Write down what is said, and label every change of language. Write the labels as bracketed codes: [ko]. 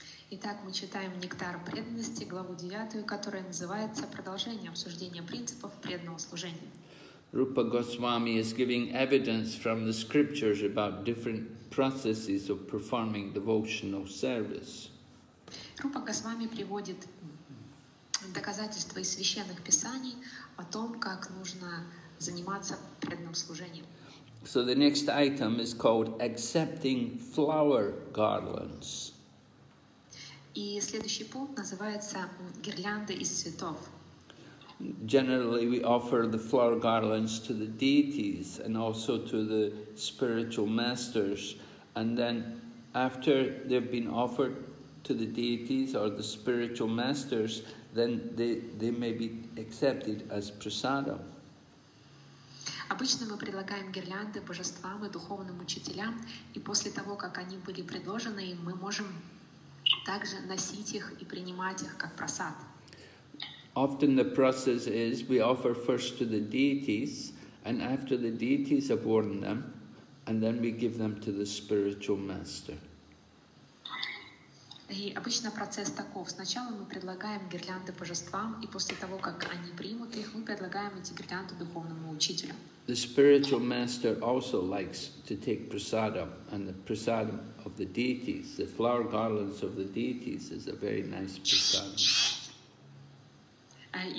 [ru] Итак, мы читаем «Нектар преданности», главу 9, которая называется «Продолжение обсуждения принципов преданного служения». [en] Rupa Goswami is giving evidence from the scriptures about different processes of performing devotional service. [ru] Rupa Goswami приводит доказательства из священных писаний о том, как нужно заниматься преданным служением. [en] So the next item is called «Accepting flower garlands». [ru] И следующий пункт называется «Гирлянды из цветов». [en] Generally, we offer the flower garlands to the deities and also to the spiritual masters. And then after they've been offered to the deities or the spiritual masters, then they may be accepted as prasadam. [ru] Обычно мы предлагаем гирлянды божествам и духовным учителям, и после того, как они были предложены, мы можем также носить их и принимать их как просад. [en] Often the process is we offer first to the deities, and after the deities have worn them, and then we give them to the spiritual master. [ru] И обычно процесс таков. Сначала мы предлагаем гирлянды божествам, и после того, как они примут их, мы предлагаем эти гирлянды духовному учителю. [en] The spiritual master also likes to take prasadam, and the prasadam of the deities, the flower garlands of the deities, is a very nice prasadam.